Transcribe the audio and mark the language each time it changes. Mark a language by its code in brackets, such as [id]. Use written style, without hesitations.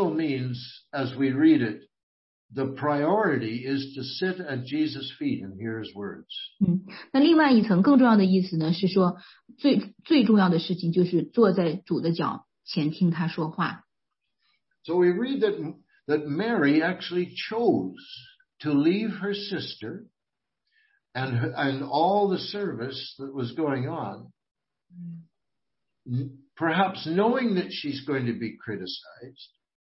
[en] But it also means, as we read it, the priority is to sit at Jesus' feet and hear his words. [zh] 那另外一层更重要的意思呢,是说最重要的事情就是坐在主的脚前听他说话。 [en] So we read that Mary actually chose to leave her sister and all the service that was going on, perhaps knowing that she's going to be criticized.